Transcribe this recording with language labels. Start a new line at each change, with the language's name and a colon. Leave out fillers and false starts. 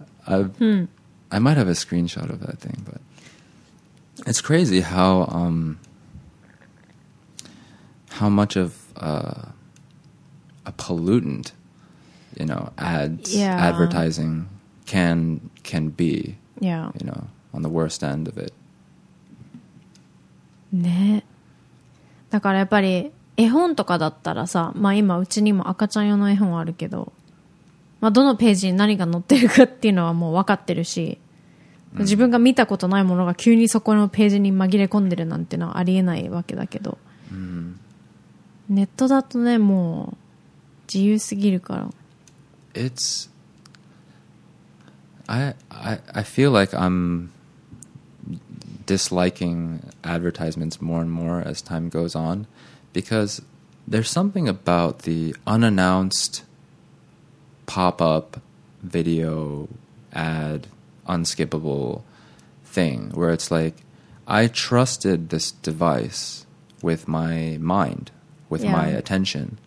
English: I might have a screenshot of that thing, but it's crazy how much of a pollutant, you know, ads, yeah, advertising can be. Yeah. You know, on the worst end of it.
Japanese: ね、だからやっぱり絵本とかだったらさ、まあ今うちにも赤ちゃん用の絵本あるけど、まあどのページに何が載ってるかっていうのはもう分かってるし、自分が見たことないものが急にそこのページに紛れ込んでるなんてのはありえないわけだけど、うん、ネットだとね、もう自由すぎるから、
English: It's I feel like I'mDisliking advertisements more and more as time goes on, because there's something about the unannounced pop-up video ad unskippable thing where it's like, I trusted this device with my mind, with, yeah, my attention,